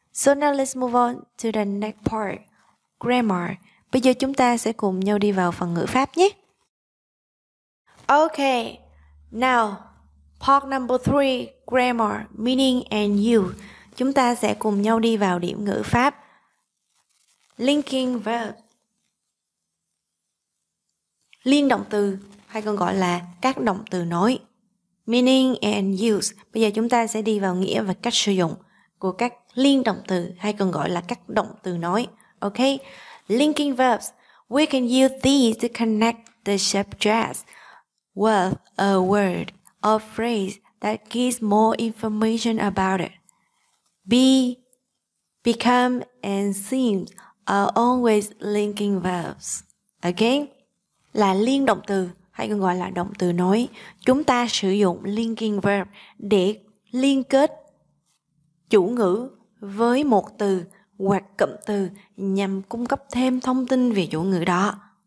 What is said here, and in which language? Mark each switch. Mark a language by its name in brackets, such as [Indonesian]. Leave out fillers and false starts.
[English] So now let's move on to the next part. Grammar. [Vietnamese] Bây giờ chúng ta sẽ cùng nhau đi vào phần ngữ pháp nhé. Okay. [English] Now, part number 3, grammar, meaning and use. [Vietnamese] Chúng ta sẽ cùng nhau đi vào điểm ngữ pháp. Linking verb. Liên động từ, hay còn gọi là các động từ nối. [English] Meaning and use. [Vietnamese] Bây giờ chúng ta sẽ đi vào nghĩa và cách sử dụng. của các liên động từ, hay còn gọi là các động từ nói. [English] Ok, linking verbs. We can use these to connect the subjects with a word or phrase that gives more information about it. Be, become, and seem are always linking verbs. [Vietnamese] Again, là liên động từ, hay còn gọi là động từ nối. Chúng ta sử dụng linking verb để liên kết chủ ngữ với một từ hoặc cụm từ nhằm cung cấp thêm thông tin về chủ ngữ đó.